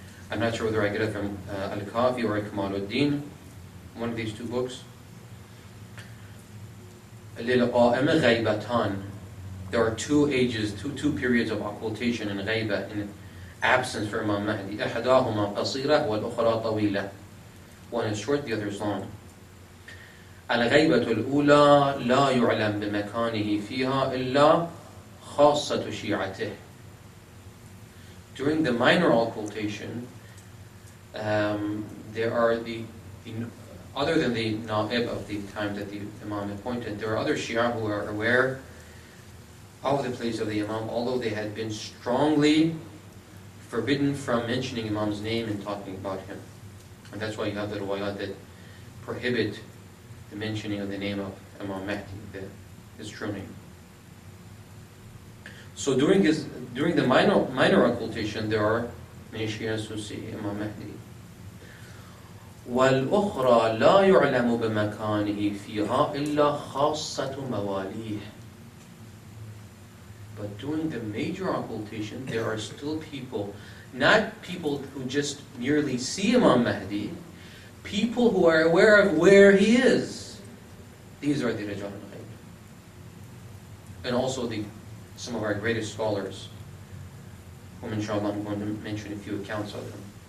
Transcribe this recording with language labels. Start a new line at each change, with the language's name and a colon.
English: I'm not sure whether I get it from Al-Kafi or Kamal al-Din, one of these two books.
Arabic: للقائم غيبتان.
English: There are two ages, two periods of occultation in غيبة, in absence for Imam Mahdi.
Arabic: أحداهما قصيرة والأخرى طويلة.
English: One is short, the other is long.
Arabic: الغيبة الأولى لا يعلم بمكانه فيها إلا خاصة شيعته.
English: During the minor occultation, there are other than the na'ib of the time that the imam appointed, there are other Shia who are aware of the place of the imam, although they had been strongly forbidden from mentioning imam's name and talking about him. And that's why you have the riwayat that prohibit the mentioning of the name of Imam Mahdi, his true name. So during the minor occultation, there are many Shias who see Imam Mahdi.
Arabic: والأخرى لا يعلم بمكانه فيها إلا خاصة مواليه.
English: But during the major occultation, there are still people, not people who just merely see Imam Mahdi, people who are aware of where he is. These are the Rijal al-Ghayb. And also some of our greatest scholars, whom inshallah I'm going to mention a few accounts of them.